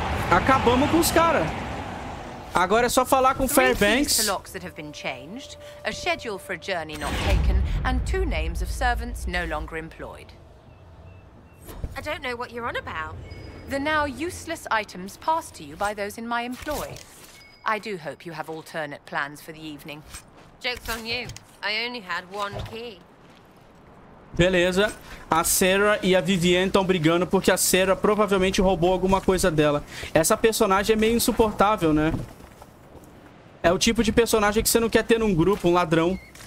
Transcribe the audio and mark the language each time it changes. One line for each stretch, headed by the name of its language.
Portuguese: Acabamos com os caras. Agora é só falar com Fairbanks.
English: Three keys to locks that have been changed, a schedule for a journey not taken, and two names of servants no longer employed. I don't know what you're on about. The now useless items passed to you by those in my employ. I do hope you have alternate plans for the evening. Joke's on you. I only had one key. Beleza.
Portuguese: A Sarah e a Viviane estão brigando porque a Sarah provavelmente roubou alguma coisa dela. Essa personagem é meio insuportável, né? É o tipo de personagem que você não quer ter num grupo, um ladrão.